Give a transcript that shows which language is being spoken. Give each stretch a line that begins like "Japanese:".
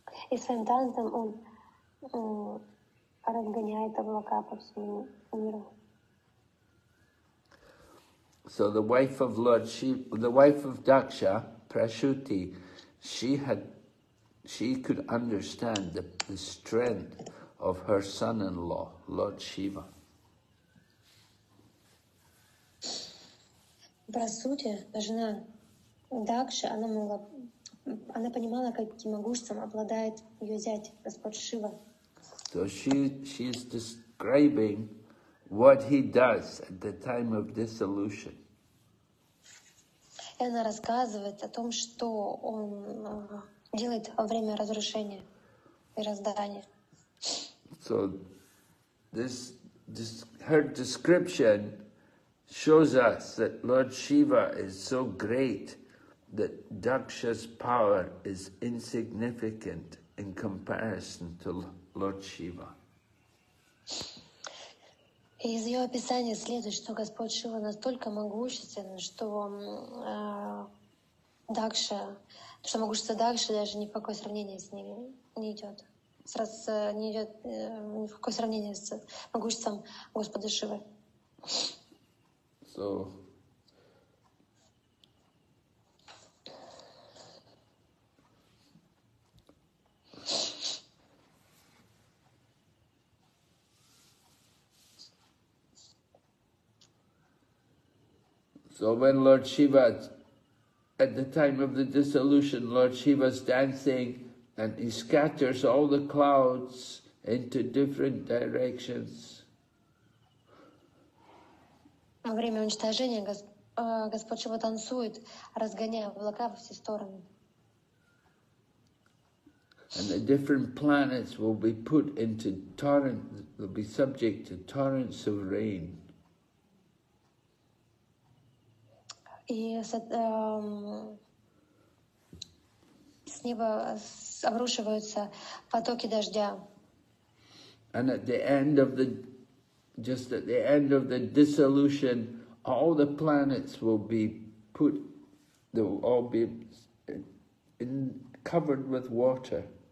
Russian: И своим танцем он разгоняет облака по всему миру.
English: So the wife of Lord Shiva, the wife of Daksha, Prasuti, she could understand the strength of her son-in-law, Lord Shiva.
Russian: Прасути, жена. Дакша, она понимала, каким могуществом обладает ее зять, Господь Шива.
English: So she is describing what he does at the time of dissolution.
Russian: И она рассказывает о том, что он делает во время разрушения и раздания.
English: So this her description shows us that Lord Shiva is so great that Daksha's power is insignificant in comparison to Lord Shiva.
Russian: Из ее описания следует, что Господь Шива настолько могущественен, что Дакша, что могущество Дакши даже ни в какое сравнение с ними не идет. Ни в какое сравнение с могуществом Господа Шивы.
English: So, so when Lord Shiva, at the time of the dissolution, Lord Shiva's dancing and he scatters all the clouds into different directions.
Russian: Во время уничтожения Господь его танцует, разгоняя облака во все стороны.
English: And the different planets will be put into torrent, will be subject to torrents of rain.
Russian: С неба обрушиваются потоки дождя.
English: And at the end of the, just at the end of the dissolution, all the planets will be put, they will all be in, covered with water.